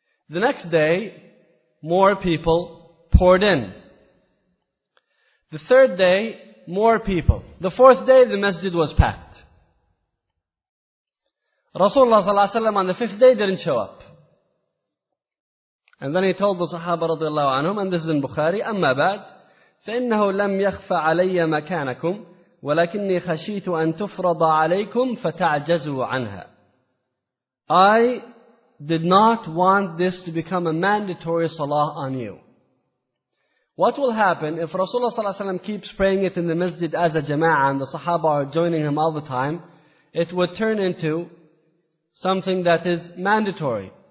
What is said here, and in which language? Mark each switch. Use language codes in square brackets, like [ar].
[en] The next day, more people poured in. The third day, more people. The fourth day, the masjid was packed. Rasulullah sallallahu alayhi wa sallam on the fifth day didn't show up. And then he told the Sahaba radiallahu anhum, and this is in Bukhari, [ar] أما بعد, فإنه لم يخفى علي مكانكم وَلَكِنِّي خَشِيتُ أَن تُفْرَضَ عَلَيْكُمْ فَتَعْجَزُوا عَنْهَا. [en] I did not want this to become a mandatory salah on you. What will happen if Rasulullah sallallahu alayhi wa sallam keeps praying it in the masjid as a jama'ah and the sahaba are joining him all the time? It would turn into something that is mandatory.